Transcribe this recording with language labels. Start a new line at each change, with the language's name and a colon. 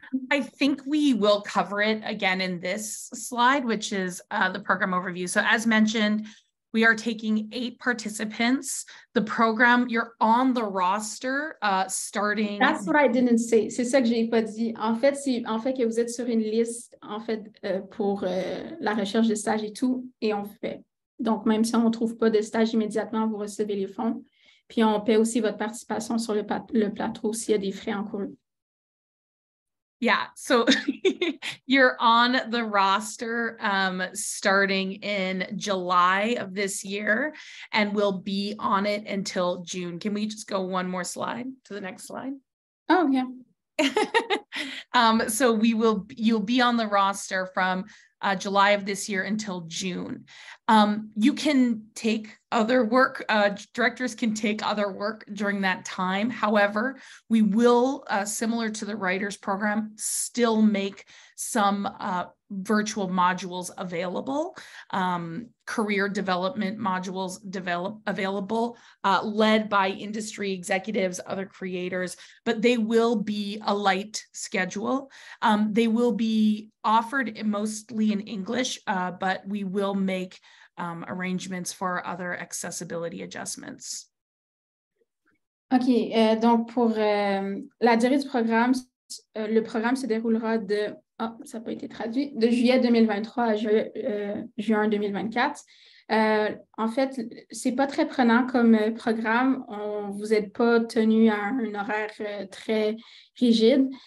English: I think we will cover it again in this slide, which is the program overview. So as mentioned, we are taking 8 participants. The program, you're on the roster starting. That's what I didn't say.
French: C'est ça que j'ai pas dit. En fait, c'est en fait que vous êtes sur une liste en fait pour la recherche de stage et tout, et on fait. Donc même si on ne trouve pas de stage immédiatement, vous recevez les fonds. Puis on paie aussi votre participation sur le plateau s'il y a des frais encourus.
English: Yeah, so you're on the roster starting in July of this year and will be on it until June. Can we just go one more slide to the next slide? Oh, yeah. So you'll be on the roster from July of this year until June. You can take other work. Directors can take other work during that time. However, we will, similar to the writers program, still make some virtual modules available, career development modules available, led by industry executives, other creators, but they will be a light schedule. They will be offered mostly in English, but we will make arrangements for other accessibility adjustments.
French: OK, donc pour la durée du programme, le programme se déroulera de, oh, ça n'a pas été traduit, de juillet 2023 à juin 2024. En fait, ce n'est pas très prenant comme programme. Vous n'êtes pas tenu à un horaire très rigide.